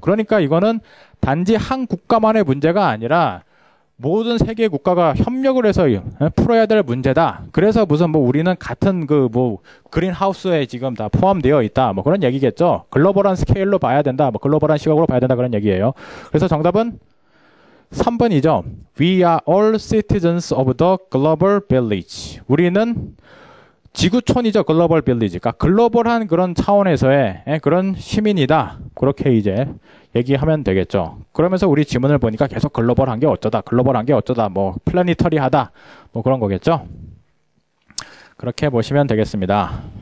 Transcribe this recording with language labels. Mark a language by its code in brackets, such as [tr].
[ko] 그러니까 이거는 단지 한 국가만의 문제가 아니라 모든 세계 국가가 협력을 해서 풀어야 될 문제다. 그래서 무슨 뭐 우리는 같은 그뭐 그린하우스에 지금 다 포함되어 있다. 뭐 그런 얘기겠죠. 글로벌한 스케일로 봐야 된다. 뭐 글로벌한 시각으로 봐야 된다. 그런 얘기예요. 그래서 정답은 3번이죠. [en] We are all citizens of the global village. [ko] 우리는 지구촌이죠. 글로벌 빌리지. 그러니까 글로벌한 그런 차원에서의 그런 시민이다. 그렇게 이제 얘기하면 되겠죠. 그러면서 우리 지문을 보니까 계속 글로벌한 게 어쩌다. 글로벌한 게 어쩌다. 뭐 플래니터리하다. 뭐 그런 거겠죠. 그렇게 보시면 되겠습니다.